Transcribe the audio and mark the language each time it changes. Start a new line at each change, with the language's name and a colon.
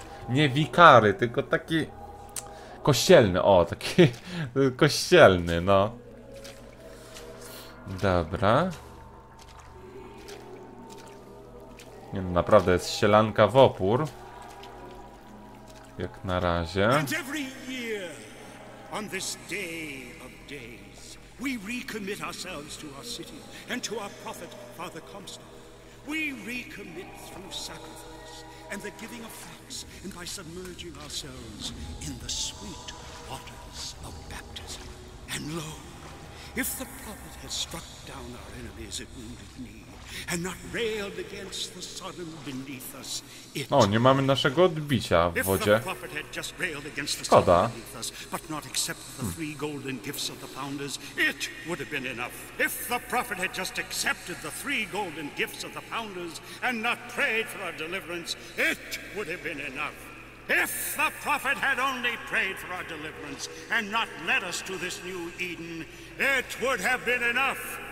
Polish: Nie wikary, tylko taki... Kościelny, o, taki... kościelny, no. Dobra. Nie, no, naprawdę jest sielanka w opór. Jak na razie.
English: And every year, on this day of days, we recommit ourselves to our city and to our prophet, Father Comstock. We recommit through sacrifice and the giving of thanks and by submerging ourselves in the sweet waters of baptism. And lo, if the prophet has struck down our enemies at wounded knee and not railed against the sodden beneath us, it...
Polish: No, nie mamy naszego odbicia w wodzie. Skoda.
English: But not accept the three golden gifts of the founders, it would have been enough. If the prophet had just accepted the three golden gifts of the founders and not prayed for our deliverance, it would have been enough. If the prophet had only prayed for our deliverance and not led us to this new Eden, it would have been enough.